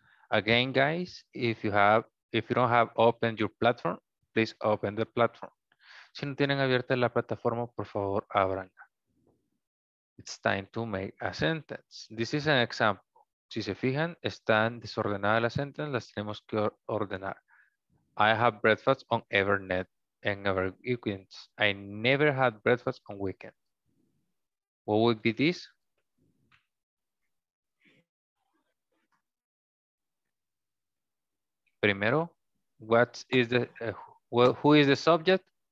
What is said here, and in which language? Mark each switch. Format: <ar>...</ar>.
<en>Again, guys, if you don't have opened your platform, please open the platform.</en> <es>Si no tienen abierta la plataforma, por favor, ábranla.</es> <en>It's time to make a sentence. This is an example.</en> <es>Si se fijan, están desordenadas las sentences, las tenemos que ordenar.</es> <en>I have breakfast on Evernet and ever weekends. I never had breakfast on weekend. What would be this? Primero, what is the, who is the subject?</en>